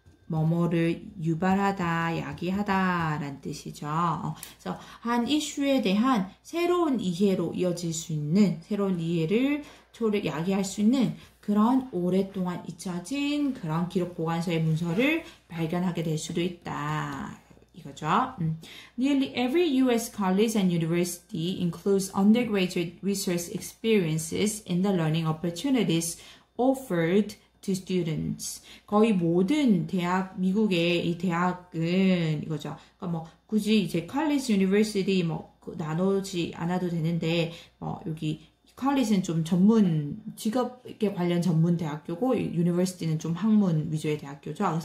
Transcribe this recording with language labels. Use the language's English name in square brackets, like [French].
[Korean] 뭐뭐를 유발하다, 야기하다라는 뜻이죠. 그래서 한 이슈에 대한 새로운 이해로 이어질 수 있는, 새로운 이해를 야기할 수 있는 그런 오랫동안 잊혀진 그런 기록 보관서의 문서를 발견하게 될 수도 있다. 이거죠. [English] Nearly every U.S. college and university includes undergraduate research experiences in the learning opportunities offered to students. [Korean] 거의 모든 대학, 미국의 이 대학은 이거죠. 그러니까 뭐 굳이 이제 college, university 뭐 나누지 않아도 되는데, 뭐 여기 college는 좀 전문 직업에 관련 전문 대학교고, university는 좀 학문 위주의 대학교죠.